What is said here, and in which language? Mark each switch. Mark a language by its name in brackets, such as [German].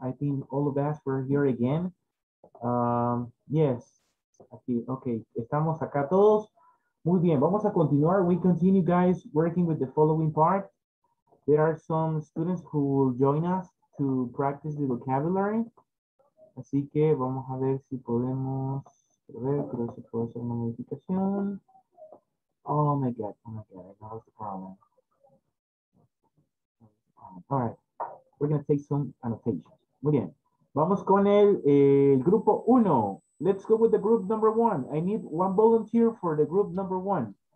[English] I think all of us were here again. Yes, [Spanish] aquí, okay, estamos acá todos. Muy bien, vamos a continuar. [English] We continue, guys, working with the following part. There are some students who will join us to practice the vocabulary. [Spanish] Así que vamos a ver si podemos, a ver, creo que se puede hacer una modificación. [English] Oh my God, I know what's the problem. All right, we're going to take some annotations. [Spanish] Muy bien. Vamos con el grupo uno. [English] Let's go with the group number one. I need one volunteer for the group number one.